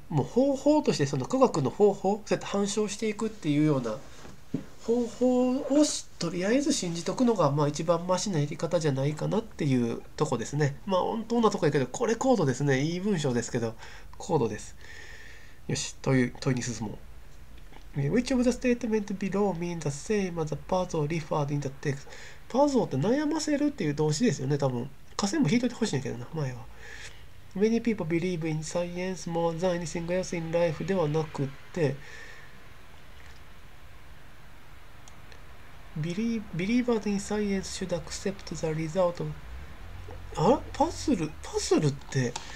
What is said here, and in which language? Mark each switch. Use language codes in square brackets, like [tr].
[ja] もう方法として、その科学の方法、そうやって反証していくっていうような方法をとりあえず信じとくのが、まあ一番マシなやり方じゃないかなっていうとこですね。まあ本当なとこやけど、これ高度ですね。いい文章ですけど、高度です。よし、という問いに進もう。 [en] Which of the statements below mean the same as the puzzle referred in the text? [ja] パズルって悩ませるっていう動詞ですよね、多分。下線も引いといてほしいんだけどな、前は。 [en] Many people believe in science more than anything else in life [ja] ではなくて、 [en] Believers in science should accept the result of... [ja] あ、パズルって、